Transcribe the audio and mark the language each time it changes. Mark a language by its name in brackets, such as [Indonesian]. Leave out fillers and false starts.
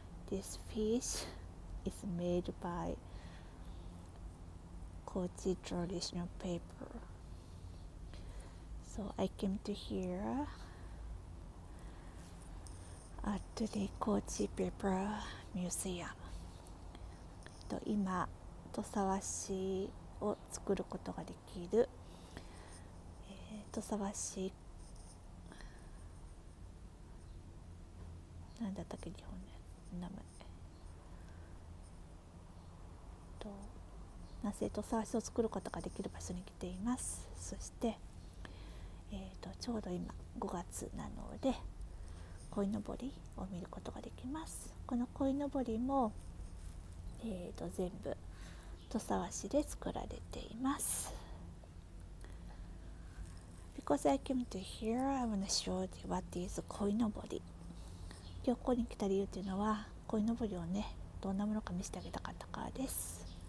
[English] This fish is made by Kochi traditional paper. So I came to here at the Kochi Paper Museum. [Japanese] と今土佐和紙を作ることができる、土佐和紙なんだったっけ日本の名前なぜ土佐和紙を作ることができる場所に来ています。そして、ちょうど今5月なので鯉のぼりを見ることができます。この鯉のぼりも、全部土佐和紙で作られています。 [English] Because I came to here, I want to show you what is 鯉のぼり。 [Japanese] 今日ここに来た理由というのは鯉のぼりをねどんなものか見せてあげたかったからです。